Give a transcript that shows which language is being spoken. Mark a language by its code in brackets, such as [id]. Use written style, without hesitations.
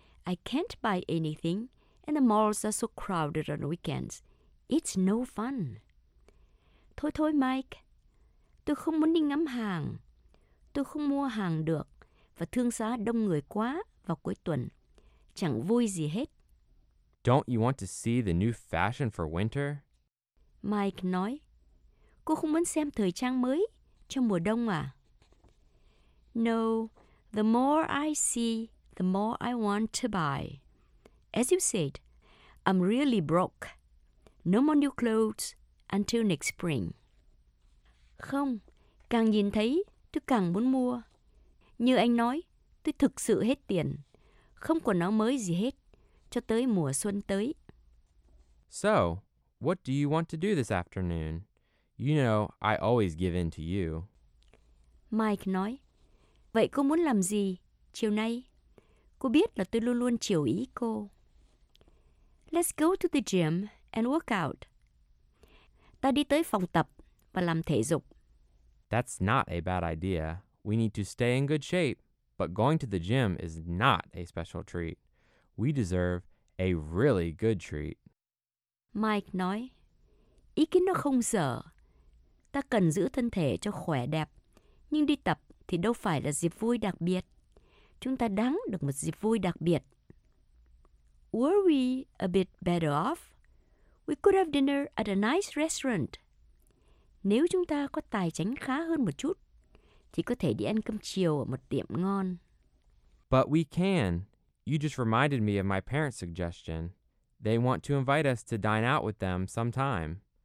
[en] I can't buy anything, and the malls are so crowded on weekends. It's no fun. [vi] Thôi thôi, [en] Mike. [vi] Tôi không muốn đi ngắm hàng. Tôi không mua hàng được, và thương xá đông người quá vào cuối tuần. Chẳng vui gì hết. [en] Don't you want to see the new fashion for winter? [vi] Mike nói, cô không muốn xem thời trang mới cho mùa đông à? [en] No, the more I see, the more I want to buy. As you said, I'm really broke. No more new clothes until next spring. [vi] Không, càng nhìn thấy, tôi càng muốn mua. Như anh nói, tôi thực sự hết tiền. Không quần áo mới gì hết, cho tới mùa xuân tới. [en] So, what do you want to do this afternoon? You know, I always give in to you. [vi] Mike nói, vậy cô muốn làm gì chiều nay? Cô biết là tôi luôn luôn chiều ý cô. [en] Let's go to the gym and work out. [vi] Ta đi tới phòng tập và làm thể dục. [en] That's not a bad idea. We need to stay in good shape. But going to the gym is not a special treat. We deserve a really good treat. [vi] Mike nói, ý kiến nó không dở. Ta cần giữ thân thể cho khỏe đẹp. Nhưng đi tập thì đâu phải là dịp vui đặc biệt. Chúng ta đáng được một dịp vui đặc biệt. [en] Were we a bit better off? We could have dinner at a nice restaurant. [vi] Nếu chúng ta có tài chính khá hơn một chút, thì có thể đi ăn cơm chiều ở một tiệm ngon. [en] But we can. You just reminded me of my parents' suggestion. They want to invite us to dine out with them sometime.